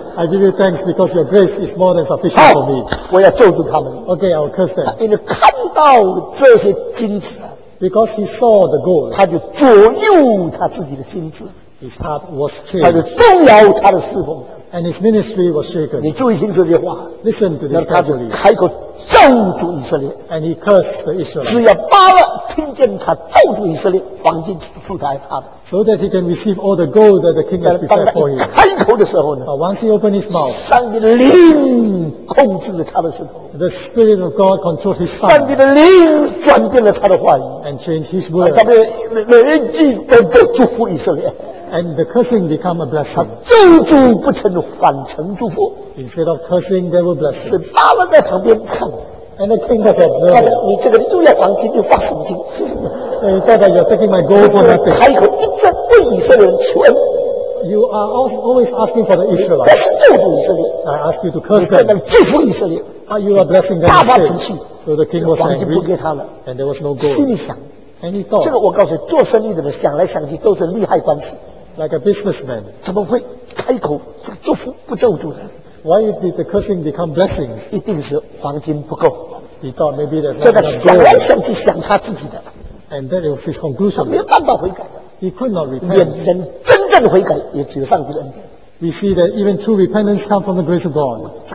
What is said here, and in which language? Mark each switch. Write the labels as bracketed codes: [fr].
[en] I give you thanks because your grace is more than sufficient for me。 [zh] 我要咒诅他们。 [en] Okay, I'll curse them。 [zh] 因为看到这些金子 [en] ，Because he saw the gold， [zh] 他就左右他自己的心智。 [en] His heart was changed。 [zh] 他就动摇他的侍奉。 [en] And his ministry was shaken. [zh] 你注意听这句话。 [en] Listen to this carefully. [zh] 开口咒诅以色列。 [en] And he cursed the Israelites. [zh] 只要巴勒听见他咒诅以色列，黄金付他他的。 [en] So that he can receive all the gold that the king has prepared for him. [zh] 开口的时候呢 [en] ？But once he opened his mouth, [zh] 上帝的灵控制了他的舌头。 [en] The spirit of God controlled his tongue. [zh] 上帝的灵转变了他的话语。 [en] And changed his word. [zh] 他的每一句都祝福以色列。 [en] And the cursing become a blessing. [zh] 他咒诅不成，反成祝福。 [en] Instead of cursing, they were blessed. [zh] 是巴勒在旁边看。 [en] And the king has observed. [zh] 他说：“你这个又要黄金，又发神经。 [en] ”Instead of you're taking my gold for nothing. [zh] 开口一直对以色列人求恩。 [en] You are always asking for the Israelites. [zh] 你是祝福以色列。 [en] I ask you to curse them. [zh] 你在那祝福以色列。 [en] Are you are blessing them? [zh] 大发脾气。 [en] So the king was angry. [zh] 黄金不给他了。 [en] And there was no gold. [zh] 心里想 [en] ，Any thought? [zh] 这个我告诉你，做生意的人想来想去都是利害关系。 [en] Like a businessman. [zh] 怎么会开口祝福不咒诅呢 [en] ？Why did the cursing become blessings? [zh] 一定是黄金不够。 [en] He thought maybe there's not enough gold. [zh] 这个想来想去想他自己的。 [en] And that was his conclusion. [zh] 他没有办法悔改的。 [en] He could not repent. [zh] 眼前真正悔改也只有上帝的恩典。 [en] We see that even true repentance comes from the grace of God.